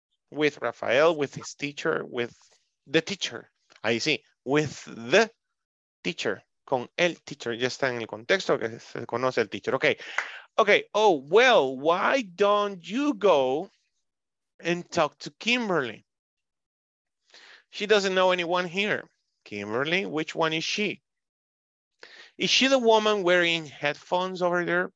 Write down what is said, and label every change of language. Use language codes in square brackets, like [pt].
[en] With Rafael, with his teacher, with the teacher. [es] Ahí sí. [en] With the teacher. [es] Con el teacher. Ya está en el contexto que se conoce el teacher. Ok. Ok. [en] Oh, well, why don't you go and talk to Kimberly? She doesn't know anyone here. Kimberly, which one is she? Is she the woman wearing headphones over there?